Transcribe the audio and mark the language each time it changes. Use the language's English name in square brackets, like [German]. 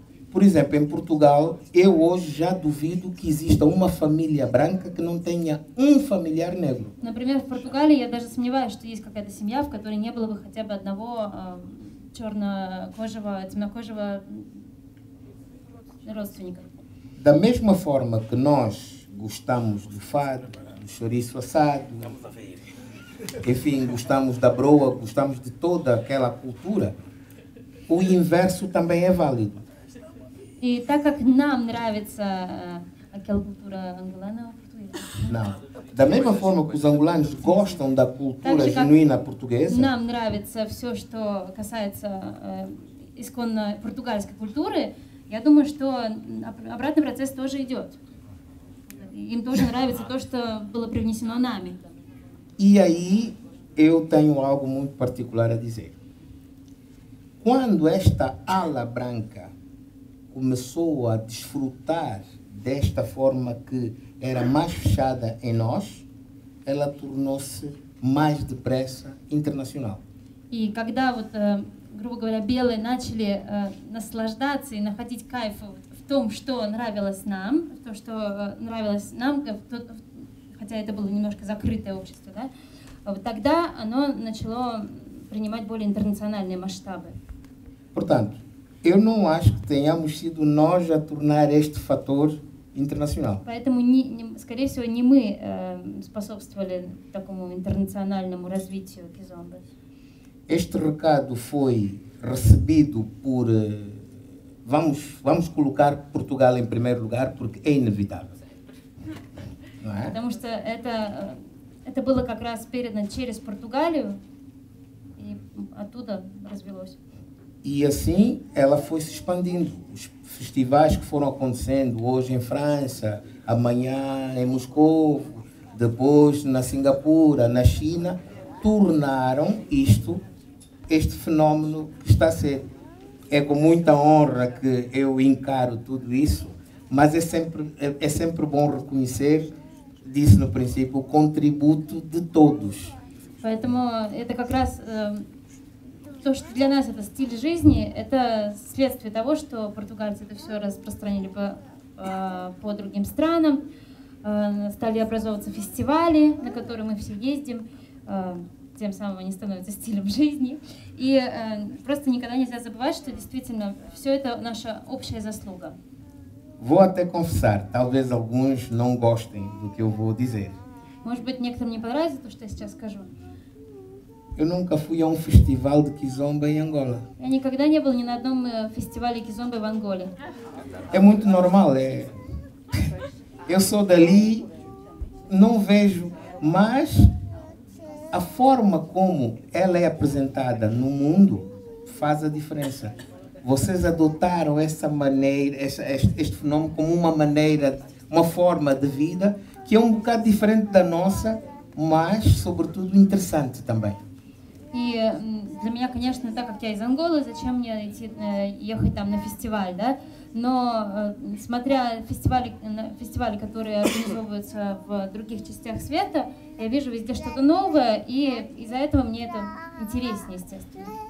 [Portuguese] Por exemplo, em Portugal, eu hoje já duvido que exista uma família branca que não tenha um familiar negro. [Russian] Например, в Португалии я даже сомневаюсь, что есть какая-то семья, в которой не было бы хотя бы одного чернокожего, темнокожего родственника. [Portuguese] Da mesma forma que nós gostamos do fado, do chouriço assado, enfim, gostamos da broa, gostamos de toda aquela cultura, o inverso também é válido. [Russian] И так как нам нравится [Portuguese] aquela cultura angolana ou portuguesa? Não. Da mesma forma que os angolanos gostam da cultura genuína portuguesa. [Russian] Нам нравится всё, что касается исконно португальской культуры, я думаю, что обратный процесс тоже идёт. Им тоже нравится то, что было привнесено нами. [Portuguese] И aí eu tenho algo muito particular a dizer. Quando esta ala branca começou a desfrutar desta forma que era mais fechada em nós, ela tornou-se mais depressa internacional. [Russian] E когда вот, грубо говоря, белые начали наслаждаться и находить кайф в том, что нравилось нам, то, что нравилось нам, хотя это было немножко закрытое общество, да, вот тогда оно начало принимать более интернациональные масштабы. [Portuguese] Portanto, eu não acho que tenhamos sido nós a tornar este fator internacional. [Russian] Поэтому скорее всего не мы способствовали такому интернациональному развитию кизомбы. [Portuguese] Este recado foi recebido por vamos colocar Portugal em primeiro lugar porque é inevitável. Não é? [Russian] Потому что это было как раз передано через Португалию и оттуда развилось. [Portuguese] E assim ela foi se expandindo. Os festivais que foram acontecendo hoje em França, amanhã em Moscou, depois na Singapura, na China, tornaram isto, este fenómeno que está a ser. É com muita honra que eu encaro tudo isso, mas é sempre bom reconhecer disse no princípio, o contributo de todos. [Russian] Поэтому это как раз то, что для нас это стиль жизни, это следствие того, что португальцы это все распространили по другим странам, стали образовываться фестивали, на которые мы все ездим, тем самым они становятся стилем жизни. И просто никогда нельзя забывать, что действительно все это наша общая заслуга. [Portuguese] Vou até confessar, talvez alguns não gostem do que eu vou dizer. [Russian] Может быть, некоторым не понравится то, что я сейчас скажу. [Portuguese] Eu nunca fui a festival de kizomba em Angola. [Russian] Я никогда не был ни на одном фестивале кизомбы в Анголе. [Portuguese] É muito normal, é. Eu sou dali, não vejo, mas a forma como ela é apresentada no mundo faz a diferença. Vocês adotaram essa maneira, este fenômeno como uma maneira, uma forma de vida que é um bocado diferente da nossa, mas sobretudo interessante também. E para mim, [Russian] конечно, так как я из Анголы, зачем мне идти ехать там на фестиваль, да? Но смотря фестивали, которые организовываются в других частях света, я вижу везде что-то новое, и из-за этого мне это интереснее, естественно.